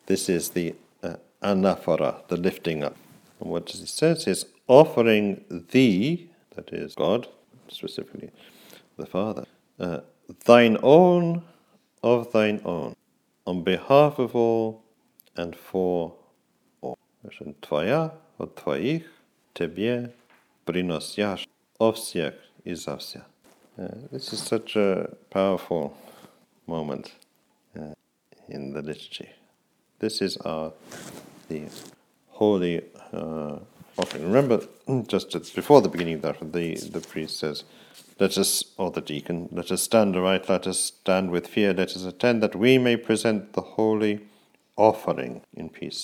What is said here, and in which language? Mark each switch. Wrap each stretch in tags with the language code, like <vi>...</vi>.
<en>This is the anaphora, the lifting up. And what he says is, offering thee, that is God, specifically the Father, thine own of thine own, on behalf of all, and for all.</en> <ru>Твоя, от твоих, тебе, приносящ, о всех и за все.</ru> <en>This is such a powerful moment in the liturgy. This is the holy offering. Remember, just before the beginning, the priest says, let us, or the deacon, let us stand aright, let us stand with fear, let us attend that we may present the holy offering in peace.</en>